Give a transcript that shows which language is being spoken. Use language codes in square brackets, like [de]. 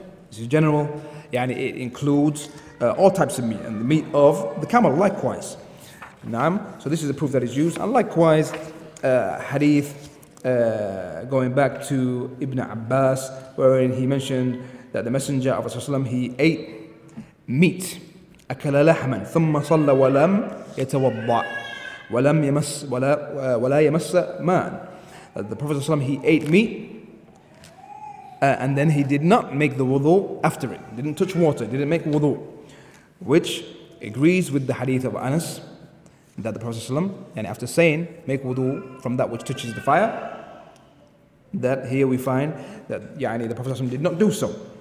[en] This is general, [ar] يعني, [en] it includes all types of meat, and the meat of the camel likewise. Naam. So this is a proof that is used, and likewise hadith going back to Ibn Abbas, wherein he mentioned that the Messenger of Allah, he ate meat. [ar] أكل لحما ثم صلى ولم يتوضأ ولم يمس ولا يمس ماء. [en] The Prophet ﷺ, he ate meat and then he did not make the wudu after it. Didn't touch water, didn't make wudu. Which agrees with the hadith of Anas that the Prophet ﷺ, and after saying, make wudu from that which touches the fire, that here we find that [ar] يعني, [en] the Prophet ﷺ did not do so.